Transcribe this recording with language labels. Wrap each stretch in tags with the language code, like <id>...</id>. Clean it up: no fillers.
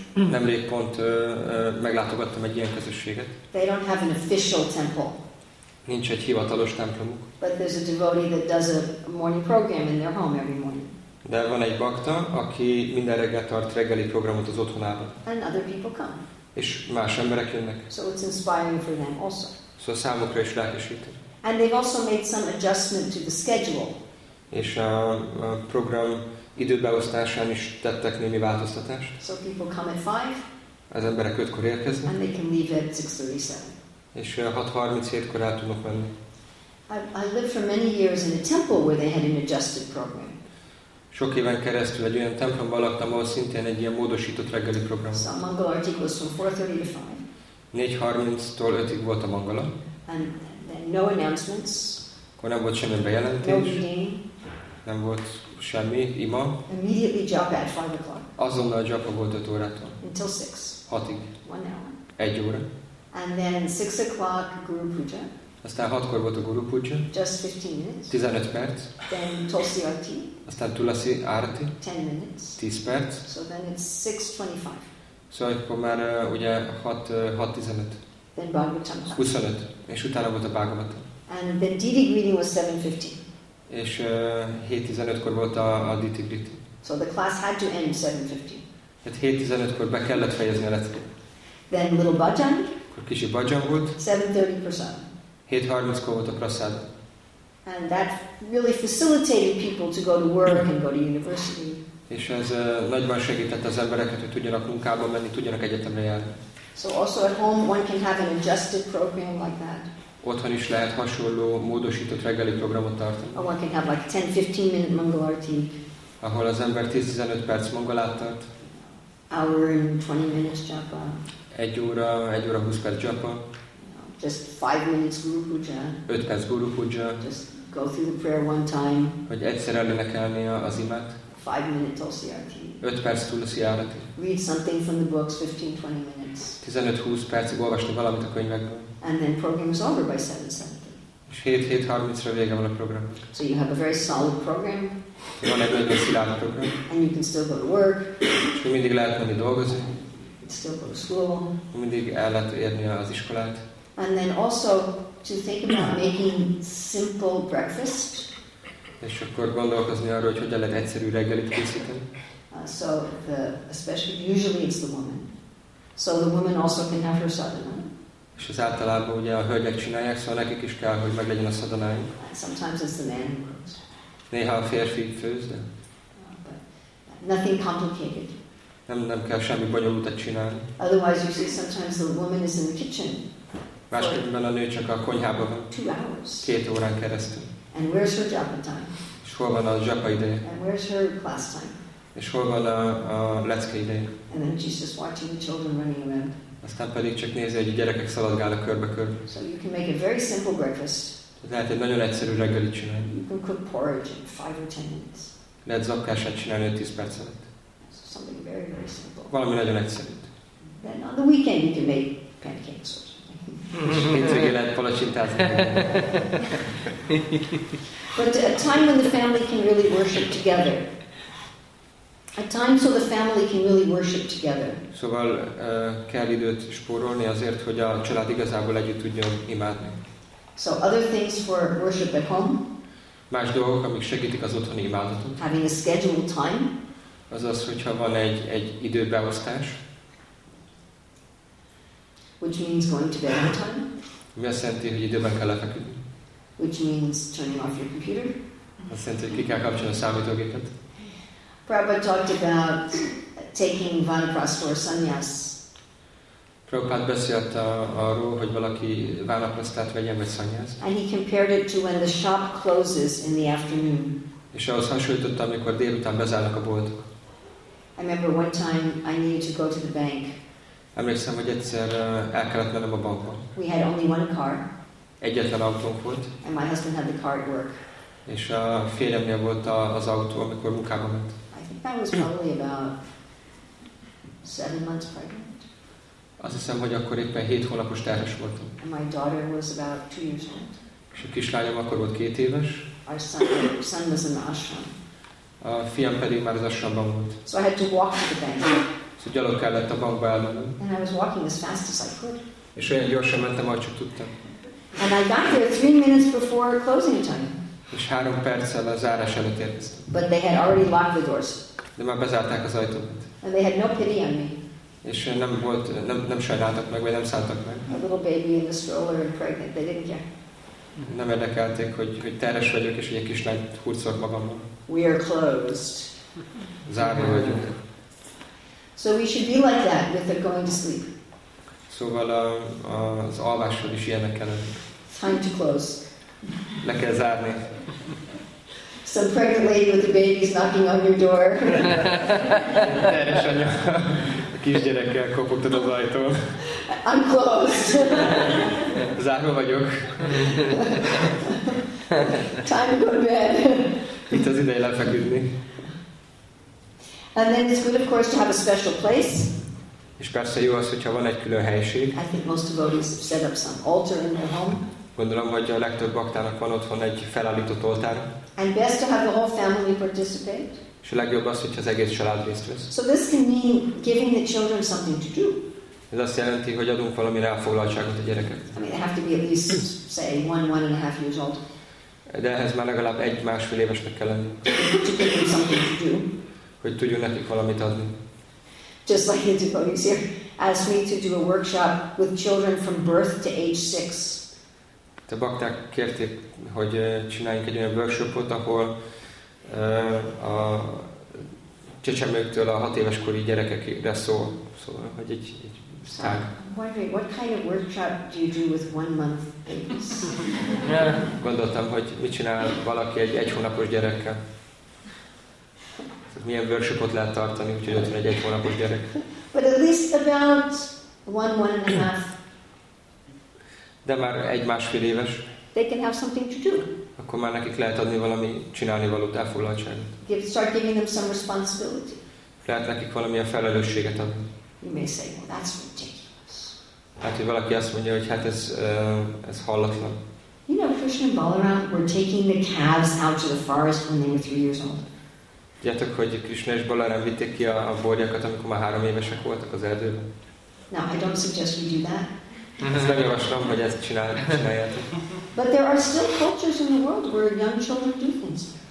<hu>Nemrég pont meglátogattam egy ilyen közösséget.</hu> <en>They don't have an official temple.</en> <hu>Nincs egy hivatalos templomuk.</hu> <en>But there's a devotee that does a morning program in their home every morning.</en> <hu>De van egy bakta, aki minden reggel tart reggeli programot az otthonában.</hu> <en>And other people come.</en> <hu>És más emberek jönnek.</hu> <en>So it's inspiring for them also.</en> <hu>Szóval számukra is lelkesítő.</hu> <en>And they've also made some adjustment to the schedule.</en> <hu>És a program időbeosztásán is tettek némi változtatást.</hu> <en>So people come at 5.</en> <hu>Az emberek 5-kor érkeznek.</hu> <en>And they can leave at 6:37.</en> <hu>És 6:37-kor el tudnak menni.</hu> <en>I lived for many years in a temple where they had an adjusted program.</en> <hu>Sok éven keresztül egy olyan templomban laktam, ahol szintén egy ilyen módosított reggeli program.</hu> <en>So a Mangala artik was from 4:30 to 5.</en> <hu>4:30-tól 5-ig volt a Mangala.</hu> <en>And no announcements.</en> <hu>Akkor nem volt semmi bejelentés.</hu> <en>No meeting.</en> <hu>Nem volt semmi ima.</hu> <en>Immediately japa at 5:00.</en> <hu>Azonnal japa volt 5 órától.</hu> <en>Until 6.</en> <hu>6-ig.</hu> <en>1 hour.</en> <hu>1 óra.</hu> <en>And then 6:00 guru puja.</en> <hu>Aztán 6-kor volt a guru puja.</hu> <en>Just 15 minutes.</en> <hu>15 perc.</hu> <en>Then tulsi arti.</en> <hu>Aztán tulsi arti.</hu> <en>10 minutes.</en> <hu>10 perc.</hu> <en>So then it's 6:25.</en> <hu>Szóval akkor már ugye 6:15.</hu> <en>Then Bhagavatam.</en> <hu>25. És utána volt a Bhagavatam.</hu> <en>And then Didi greeting was 7:15.</en> <hu>És 7:15-kor volt a Didi greeting.</hu> <en>So the class had to end 7:15.</en> <hu>Tehát 7:15-kor be kellett fejezni a leckét.</hu> <en>Then little bhajan.</en> <hu>Akkor kicsi bhajan volt.</hu> <en>7:30 prasad.</en> <hu>7:30-kor volt a prasad.</hu> <en>And that really facilitated people to go to work and go to university.</en> <hu>És ez nagyban segített az embereket, hogy tudjanak munkába menni, tudjanak egyetemre járni.</hu> <en>So also at home one can have an adjusted program like that.</en> <hu>Otthon is lehet hasonló módosított reggeli programot tartani.</hu> <en>Or one can have like 10-15 minute Mangala arti.</en> <hu>Ahol az ember 10-15 perc mangalát tart.</hu> <en>Hour and 20 minutes japa.</en> <hu>1 óra 20 perc japa.</hu> <en>Just 5 minutes guru puja.</en> <hu>5 perc guru puja.</hu> <en>Just go through the prayer one time.</en> <hu>Hogy egyszer elénekelni az imát.</hu> <en>5 minutes tulsi arti.</en> <hu>5 perc tulsi arti.</hu> <en>Read something from the books 15-20 minutes.</en> <hu>15-20 percig olvasni valamit a könyvekből.</hu> <en>And then program is over by 7:30.</en> <hu>És 7:30-ra vége van a program.</hu> <en>So you have a very solid program.</en> <hu>Van egy nagyon szilárd program.</hu> <en>And you can still go to work.</en> <hu>És mindig lehet menni dolgozni.</hu> <en>Still go to school.</en> <hu>Mindig el lehet érni az iskolát.</hu> <en>And then also to think about making simple breakfast.</en> <hu>És akkor gondolkozni arról, hogy hogyan lehet egyszerű reggelit készíteni.</hu> <en>So the especially usually it's the woman. So the woman also can have her sadhana.</en> <hu>És az általában ugye a hölgyek csinálják, szóval nekik is kell, hogy meglegyen a szadanájuk.</hu> <en>Sometimes it's the man who cooks.</en> <hu>Néha a férfi főz, de...</hu> <en>Nothing complicated.</en> <hu>Nem kell semmi bonyolultat csinálni.</hu> <en>Otherwise you see sometimes the woman is in the kitchen.</en> <hu>Másképpen a nő csak a konyhában van.</hu> <en>2 hours.</en> <hu>2 órán keresztül.</hu> <en>And where's her japa time?</en> <hu>És hol van a japa ideje?</hu> <en>And where's her class time?</en> <hu>És hol van a lecke ideje?</hu> <en>And then she's just watching the children running around.</en> <hu>Aztán pedig csak nézi, hogy a gyerekek szaladgálnak körbe-körbe.</hu> <en>So you can make a very simple breakfast.</en> <hu>Lehet egy nagyon egyszerű reggelit csinálni.</hu> <en>You can cook porridge in 5 or 10 minutes.</en> <hu>Lehet zabkását csinálni 5-10 perc alatt.</hu> <en>So something very, very simple.</en> <hu>Valami nagyon egyszerű.</hu> <en>Then on the weekend you can make pancakes or something.</en> <hu>És hétvégén lehet palacsintázni.</hu> <en>But a time when the family can really worship together. A time so the family can really worship together.</en> <hu>Szóval kell időt spórolni azért, hogy a család igazából együtt tudjon imádni.</hu> <en>So other things for worship at home.</en> <hu>Más dolgok, amik segítik az otthoni imádatot.</hu> <en>Having a scheduled time.</en> <hu>Azaz, hogyha van egy időbeosztás.</hu> <en>Which means going to bed on time.</en> <hu>Mi azt jelenti, hogy időben kell lefeküdni.</hu> <en>Which means turning off your computer.</en> <hu>Azt jelenti, hogy ki kell kapcsolni a számítógépet.</hu> <en>Prabhupada talked about taking vanaprastha or sannyas.</en> <hu>Prabhupada beszélt arról, hogy valaki vanaprasthát vegyen, vagy sannyas.</hu> <en>And he compared it to when the shop closes in the afternoon.</en> <hu>És ahhoz hasonlította, amikor délután bezárnak a boltok.</hu> <en>I remember one time I needed to go to the bank.</en> <hu>Emlékszem, hogy egyszer el kellett mennem a bankba.</hu> <en>We had only one car.</en> <hu>Egyetlen autónk volt.</hu> <en>And my husband had the car at work.</en> <hu>És a férjemnél volt az autó, amikor munkába ment.</hu> <en>That was probably about 7 months pregnant.</en> <hu>Azt hiszem, hogy akkor éppen 7 hónapos terhes voltam.</hu> <en>And my daughter was about 2 years old.</en> <hu>És a kislányom akkor volt 2 éves.</hu> <en>Our son was in the ashram.</en> <hu>A fiam pedig már az ashramban volt.</hu> <en>So I had to walk to the bank.</en> <hu>Szóval gyalog kellett a bankba elmennem.</hu> <en>And I was walking as fast as I could.</en> <hu>És olyan gyorsan mentem, ahogy csak tudtam.</hu> <en>And I got there 3 minutes before closing time.</en> <hu>És 3 perccel a zárás előtt érkeztem.</hu> <en>But they had already locked the doors.</en> <hu>De már bezárták az ajtót.</hu> <en>And they had no pity on me.</en> <hu>És nem sajnáltak meg, vagy nem szálltak meg.</hu> <en>A little baby in the stroller and pregnant, they didn't care.</en> <hu>Nem érdekelték, hogy terhes vagyok, és hogy egy kislányt hurcolok magammal.</hu> <en>We are closed.</en> <hu>Zárva vagyunk.</hu> <en>So we should be like that with the going to sleep.</en> <hu>Szóval az alvásról is ilyenek kellene.</hu> <en>Time to close.</en> <hu>Le kell zárni.</hu> <en>Some pregnant lady with a baby is knocking on your door.</en> <hu>Teres anya a kisgyerekkel kopogtad az ajtón.</hu> <en>I'm closed.</en> <hu>Zárva vagyok.</hu> <en>Time to go to bed.</en> <hu>Itt az ideje lefeküdni.</hu> <en>And then it's good, of course, to have a special place.</en> <hu>És persze jó az, hogyha van egy külön helyiség.</hu> <en>I think most devotees have set up some altar in their home.</en> <hu>Gondolom, hogy a legtöbb baktának van otthon egy felállított oltár.</hu> <en>And best to have the whole family participate.</en> <hu>És a legjobb az, hogyha az egész család részt vesz.</hu> <en>So this can mean giving the children something to do.</en> <hu>Ez azt jelenti, hogy adunk valami elfoglaltságot a gyereket.</hu> <en>I mean, they have to be at least, say, 1 and a half years old.</en> <hu>De ehhez már legalább 1-1.5 évesnek kell lenni.</hu> <en>To give them something to do.</en> <hu>Hogy tudjunk nekik valamit adni.</hu> <en>Just like the devotees here asked me to do a workshop with children from birth to age 6.</en> <hu>A bakták kérték, hogy csináljunk egy olyan workshopot, ahol a csecsemőktől a 6 éves kori gyerekekre szól. Szóval, hogy egy szág.</hu> <en>What kind of workshop do you do with 1 month babies?</en> <hu>Gondoltam, hogy mit csinál valaki egy hónapos gyerekkel. Milyen workshopot lehet tartani, úgyhogy ott van egy hónapos gyerek.</hu> <en>But at least about 1, 1.5.</en> <hu>De már 1-1.5 éves.</hu> <en>They can have something to do.</en> <hu>Akkor már nekik lehet adni valami csinálni valót, elfoglaltságot.</hu> <en>Start giving them some responsibility.</en> <hu>Lehet nekik valamilyen felelősséget adni.</hu> <en>You may say, well, that's ridiculous.</en> <hu>Hát, hogy valaki azt mondja, hogy hát ez hallatlan.</hu> <en>You know, Krishna and Balaram were taking the calves out to the forest when they were 3 years old.</en> <hu>Tudjátok, hogy Krishna és Balaram vitték ki a borjakat, amikor már 3 évesek voltak az erdőben?</hu> <en>Now, I don't suggest we do that.</en> <hu>Ezt nem javaslom, hogy ezt csináljátok.</hu> <en>But there are still cultures in the world where young children do things.</en>